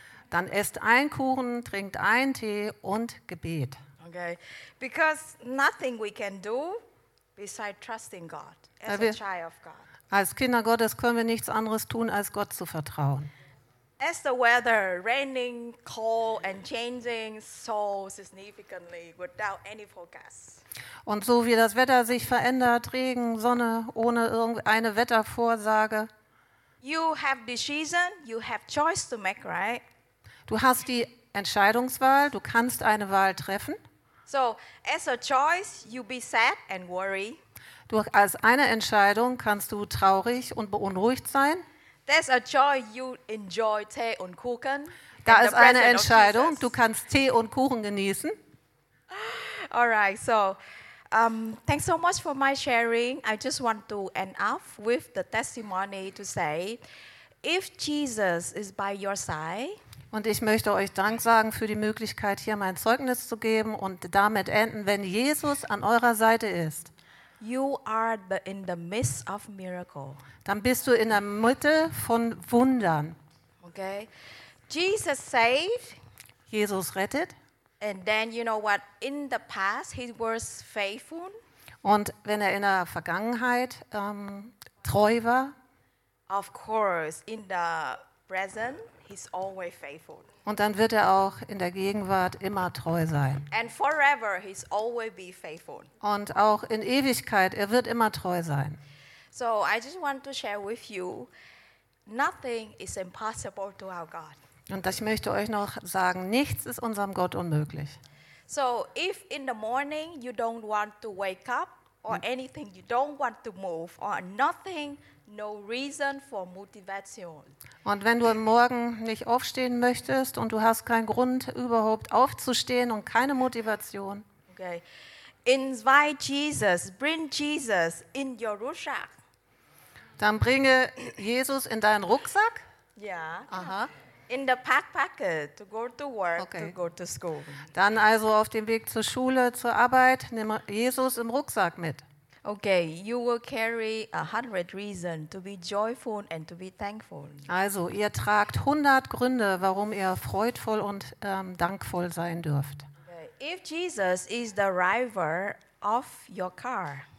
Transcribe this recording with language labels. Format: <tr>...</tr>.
<de>Dann esst ein Kuchen, trinkt ein Tee und Gebet.</de> <en>Okay, because nothing we can do besides trusting God as a child of God.</en> <de>Als Kinder Gottes können wir nichts anderes tun, als Gott zu vertrauen.</de> <en>As the weather raining, cold and changing so significantly without any forecast.</en> <de>Und so wie das Wetter sich verändert, Regen, Sonne, ohne irgendeine Wettervorsage.</de> <en>You have decision, you have choice to make, right?</en> <de>Du hast die Entscheidungswahl, du kannst eine Wahl treffen.</de> <en>So, as a choice, you be sad and worry.</en> <de>Du als eine Entscheidung kannst du traurig und beunruhigt sein.</de> <en>There's a joy you enjoy</en> <de>Tee und Kuchen. Da ist eine Entscheidung, du kannst Tee und Kuchen genießen.</de> <en>All right, so thanks so much for my sharing. I just want to end up with the testimony to say, if Jesus is by your side.</en> <de>Und ich möchte euch Dank sagen für die Möglichkeit, hier mein Zeugnis zu geben und damit enden, wenn Jesus an eurer Seite ist.</de> <en>You are in the midst of miracle.</en> <de>Dann bist du in der Mitte von Wundern.</de> <en>Okay. Jesus saved.</en> <de>Jesus rettet.</de> <en>And then you know what? In the past he was faithful.</en> <de>Und wenn er in der Vergangenheit treu war.</de> <en>Of course, in the present. He's always faithful.</en> <de>Und dann wird er auch in der Gegenwart immer treu sein.</de> <en>And forever he's always be faithful.</en> <de>Und auch in Ewigkeit, er wird immer treu sein.</de> <en>So I just want to share with you, nothing is impossible to our God.</en> <de>Und ich möchte euch noch sagen, nichts ist unserem Gott unmöglich.</de> <en>So if in the morning you don't want to wake up or anything, you don't want to move or nothing, no reason for motivation.</en> <de>Und wenn du morgen nicht aufstehen möchtest und du hast keinen Grund überhaupt aufzustehen und keine Motivation.</de> <en>Okay. Invite Jesus, bring Jesus in your Rucksack.</en> <de>Dann bringe Jesus in deinen Rucksack? Ja. Aha.</de> <en>In the backpack to go to work, okay. To go to school.</en> <de>Dann also auf dem Weg zur Schule, zur Arbeit, nimm Jesus im Rucksack mit.</de> <en>Okay, you will carry 100 reasons to be joyful and to be thankful.</en> <de>Also, ihr tragt 100 Gründe, warum ihr freudvoll und dankvoll sein dürft.</de> <en>Okay. If Jesus is the driver of your car.</en>